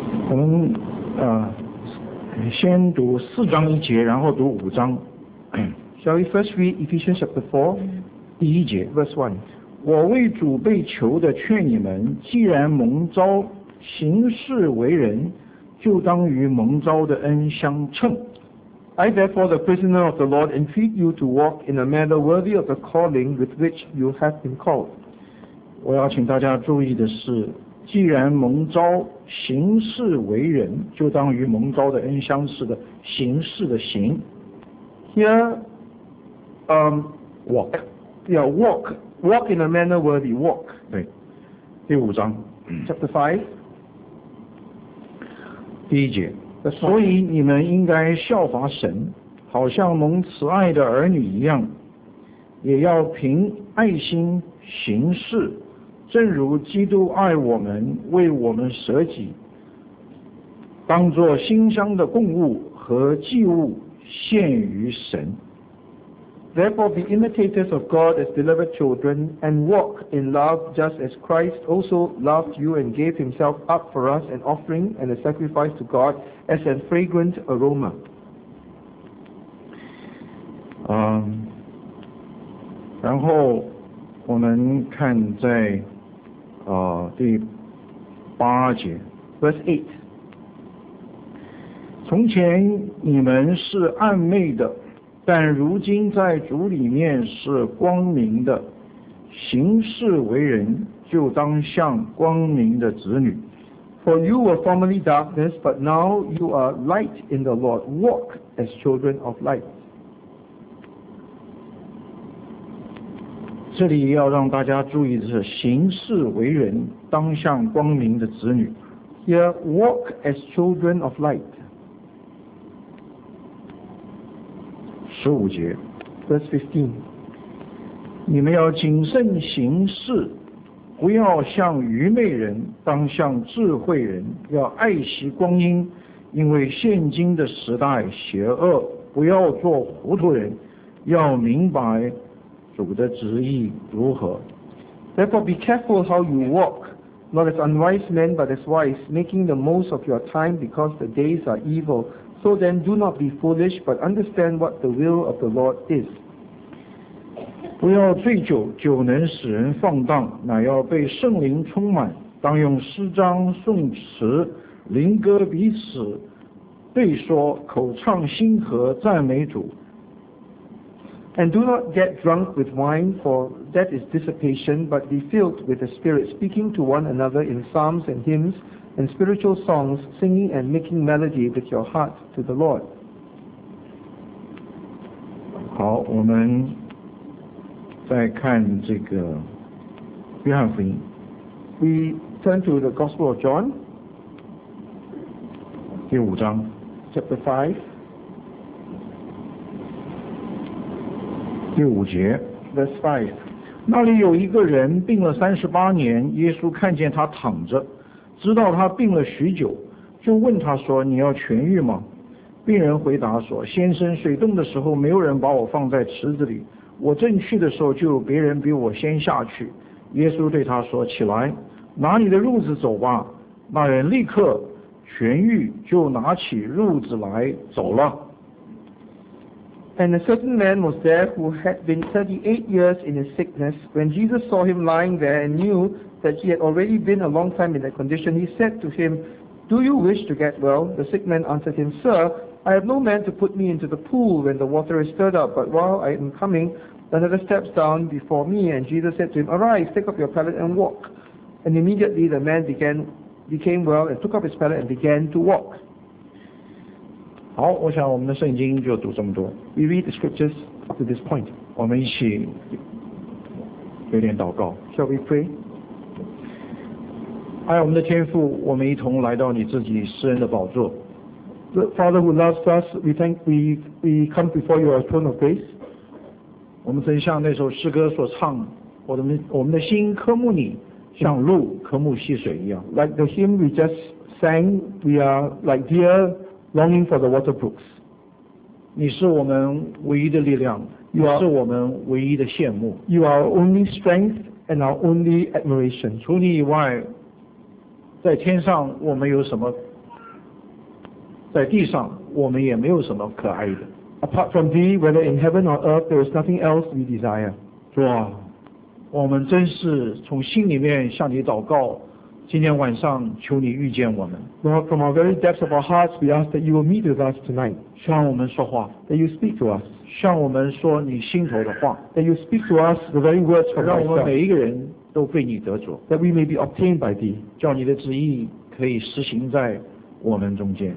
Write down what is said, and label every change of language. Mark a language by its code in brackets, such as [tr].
[zh] 我们先读四章一节，然后读五章。 [en] Shall we first read Ephesians chapter 4? [zh] 第一节 [en] ,verse 1. [zh] 我为主被囚的劝你们，既然蒙召行事为人，就当与蒙召的恩相称。 [en] I therefore the prisoner of the Lord entreat you to walk in a manner worthy of the calling with which you have been called. [zh] 我要请大家注意的是，既然蒙召行事为人，就当与蒙召的恩相似的行事的行。 [en] Here walk. Yeah, walk in a manner worthy, walk. [zh] 对，第五章 [en] Chapter 5 [zh] 第一节，所以你们应该效法神，好像蒙慈爱的儿女一样，也要凭爱心行事，正如基督爱我们，为我们舍己，当作馨香的供物和祭物献于神。 [en] Therefore, be imitators of God as beloved children, and walk in love just as Christ also loved you and gave himself up for us an offering and a sacrifice to God as a fragrant aroma. [zh] 然后我们看在第八节 [en] Verse 8 [zh] 从前你们是暗昧的但如今在主里面是光明的，行事为人就当像光明的子女。 [en] For you were formerly darkness, but now you are light in the Lord. Walk as children of light. [zh] 这里要让大家注意的是，行事为人当像光明的子女。 [en] Here, walk as children of light. [zh] 十五节 [en] Verse 15 [zh] 你们要谨慎行事不要像愚昧人当像智慧人要爱惜光阴因为现今的时代邪恶不要做糊涂人要明白主的旨意如何 [en] Therefore be careful how you walk not as unwise men but as wise making the most of your time because the days are evilSo then do not be foolish, but understand what the will of the Lord is. [zh] 不要醉酒，酒能使人放荡，乃要被圣灵充满，当用诗章、颂词、灵歌彼此对说，口唱心和，赞美主。 [en] And do not get drunk with wine, for that is dissipation, but be filled with the Spirit, speaking to one another in psalms and hymns,and spiritual songs, singing and making melody with your heart to the Lord. [zh] 好，我们再看这个约翰福音。 [en] We turn to the Gospel of John. [zh] 第五章。 [en] Chapter [zh] 5. 第五节。 [en] Verse 5. [zh] 那里有一个人病了38年，耶稣看见他躺着。知道他病了许久就问他说你要痊愈吗病人回答说先生水冻的时候没有人把我放在池子里我正去的时候就有别人比我先下去耶稣对他说起来拿你的褥子走吧那人立刻痊愈就拿起褥子来走了 [en] And a certain man was there who had been 38 years in his sickness when Jesus saw him lying there and knewthat he had already been a long time in that condition, he said to him, Do you wish to get well? The sick man answered him, Sir, I have no man to put me into the pool when the water is stirred up, but while I am coming, another steps down before me. And Jesus said to him, Arise, take up your pallet and walk. And immediately the man became well and took up his pallet and began to walk. [zh] 好，我想我们的圣经就读这么多。 [en] We read the scriptures up to this point. [zh] 我们一起有点祷告。 [en] Shall we pray? [zh] 爱我们的天父我们一同来到你自己施恩的宝座 [en] The Father who loves us we come before your throne of grace [zh] 我们曾像那首诗歌所唱我们的心渴慕你像鹿渴慕溪水一样。 [en] Like the hymn we just sang, we are like deer longing for the water brooks. [zh] 你是我们唯一的力量，你是我们唯一的羡慕。 [en] You are our only strength and our only admiration. [zh] 除你以外，在天上我们有什么？在地上我们也没有什么可爱的。 [en] Apart from thee, whether in heaven or earth, there is nothing else we desire. [zh] 主啊，我们真是从心里面向你祷告，今天晚上求你遇见我们。 [en] Lord, from our very depths of our hearts, we ask that you will meet with us tonight. [zh] 向我们说话。 [en] That you speak to us. [zh] 向我们说你心头的话。 [en] That you speak to us the very words from yourself. [zh] 让我们每一个人都被你得着。 [en] That we may be obtained by thee. [zh] 叫你的旨意可以实行在我们中间。